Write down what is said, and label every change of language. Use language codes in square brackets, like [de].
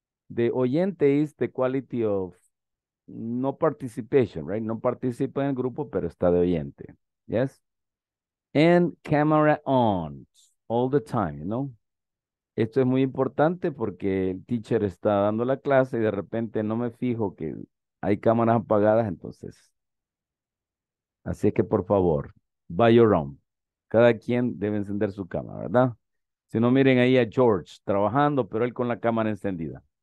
[en] The oyente is the quality of no participation, right? [es] No participa en el grupo, pero está de oyente. [en] Yes? And camera on all the time, you know? [es] Esto es muy importante porque el teacher está dando la clase y de repente no me fijo que hay cámaras apagadas, entonces. Así que, por favor, [en] by your own. [es] Cada quien debe encender su cámara, ¿verdad? Si no, miren ahí a George trabajando, pero él con la cámara encendida.